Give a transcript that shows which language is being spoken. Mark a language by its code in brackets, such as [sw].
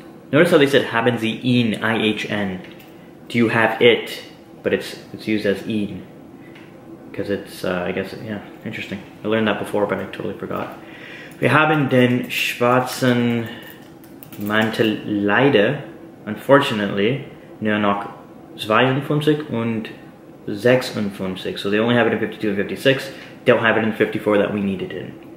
[en] Notice how they said [de] haben Sie ihn, [en] I-H-N. Do you have it? But it's used as ihn. Because it's, interesting. I learned that before, but I totally forgot. [de] Wir haben den schwarzen Mantel leider, [en] unfortunately, [de] nur noch 52 und 56. [en] So they only have it in 52 and 56. Don't have it in 54 that we need it in.